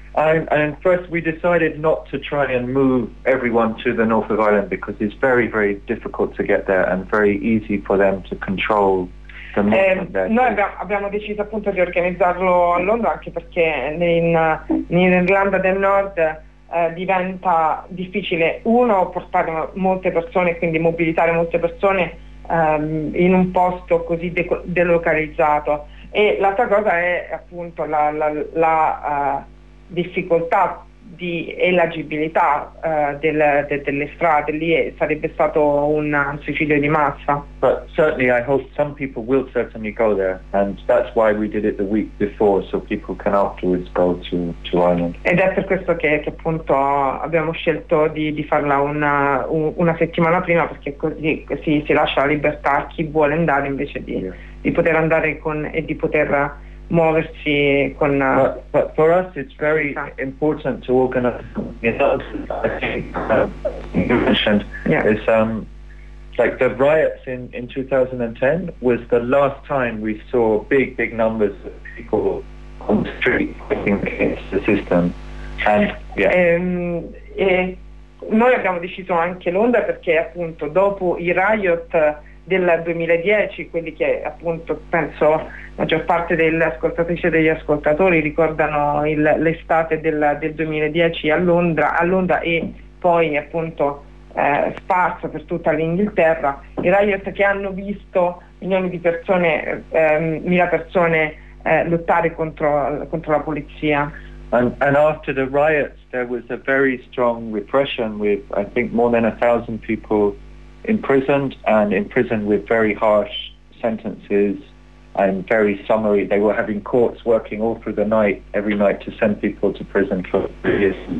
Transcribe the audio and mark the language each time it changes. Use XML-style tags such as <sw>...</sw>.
<en>And first, we decided not to try and move everyone to the north of Ireland because it's very, very difficult to get there and very easy for them to control</en> <it>Noi abbiamo deciso appunto di organizzarlo a Londra, anche perché in Irlanda del Nord diventa difficile, uno, portare molte persone, quindi mobilitare molte persone in un posto così delocalizzato, e l'altra cosa è appunto la difficoltà di elagibilità delle strade lì, e sarebbe stato un suicidio di massa.</it> <en>But certainly I hope some people will certainly go there, and that's why we did it the week before, so people can afterwards go to Ireland.</en> <it>Ed è per questo che appunto abbiamo scelto di farla una settimana prima, perché così si lascia la libertà a chi vuole andare invece di poter andare di poter muoversi con.</it> <en>But for us it's very important to organize, you know, I think you mentioned is like the riots in 2010 was the last time we saw big numbers of people on the street fighting against the system. And</en> <it>noi abbiamo deciso anche Londra perché appunto dopo i riot del 2010, quelli che appunto penso la maggior parte delle ascoltatrici e degli ascoltatori ricordano l'estate del 2010 a Londra e poi appunto sparso per tutta l'Inghilterra, i riot che hanno visto milioni di persone, mila persone lottare contro la polizia.</it> <en>And after the riots there was a very strong repression with I think more than 1,000 people imprisoned, and imprisoned with very harsh sentences and very summary. They were having courts working all through the night, every night, to send people to prison for years.</en>